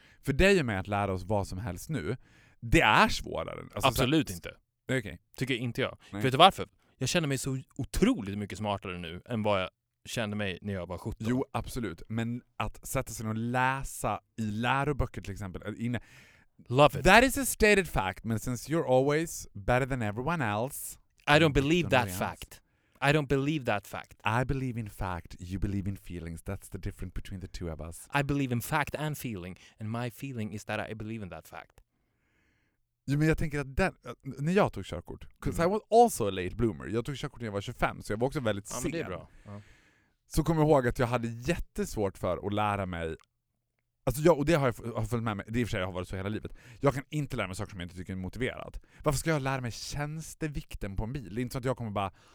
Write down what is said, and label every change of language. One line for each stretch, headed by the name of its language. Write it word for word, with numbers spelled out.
Swedish: För dig och mig att lära oss vad som helst nu, det är svårare. Alltså, absolut så, inte. Okay. Tycker inte jag. Nej. Vet du varför? Jag känner mig så otroligt mycket smartare nu än vad jag kände mig när jag var sjutton. Jo, absolut. Men att sätta sig och läsa i läroböcker till exempel. Inne.
English: Love it. That is a stated fact, but since you're always better than everyone else... I don't believe that fact. I don't believe that fact. I believe in fact, you believe in feelings. That's the difference between the two of us. I believe in fact and feeling. And my feeling is that I believe in that fact.
Swedish: Jo, men jag tänker att den, när jag tog körkort,
English: 'cause I was also a late bloomer.
Swedish: Jag tog körkort när jag var tjugofem, så jag var också väldigt ja, sen. Men det är bra. Ja. Så kommer jag ihåg att jag hade jättesvårt för att lära mig. Alltså jag, och det har jag har följt med mig. Det är i och för sig jag har varit så hela livet. Jag kan inte lära mig saker som jag inte tycker är motiverat. Varför ska jag lära mig tjänstevikten på en bil? Det är inte så att jag kommer bara...